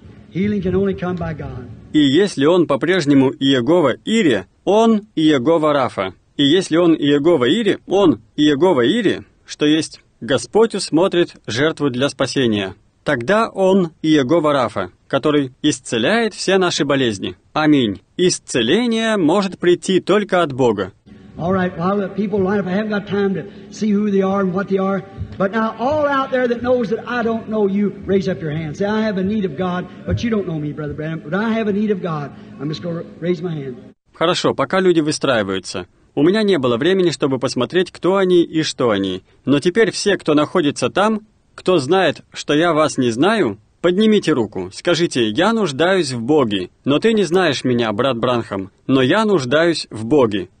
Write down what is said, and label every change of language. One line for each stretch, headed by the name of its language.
English: Healing can only come by God.
Russian: И если Он по-прежнему Иегова Ире, Он Иегова Рафа. И если Он Иегова Ире, Он Иегова Ире, что есть Господь усмотрит жертву для спасения. Тогда Он Иегова Рафа, который исцеляет все наши болезни. Аминь. Исцеление может прийти только от Бога.
English: All right, well, I'll let people line up. I haven't got time to see who they are and what they are. But now, all out there that knows that I don't know you, raise up your hand. Say, I have a need of God, but you don't know me, Brother Branham, but I have a need of God. I'm just going to raise my hand.
Russian: Хорошо, пока люди выстраиваются. У меня не было времени, чтобы посмотреть, кто они и что они. Но теперь все, кто находится там, кто знает, что я вас не знаю, поднимите руку. Скажите, я нуждаюсь в Боге, но ты не знаешь меня, брат Бранхам, но я нуждаюсь в Боге.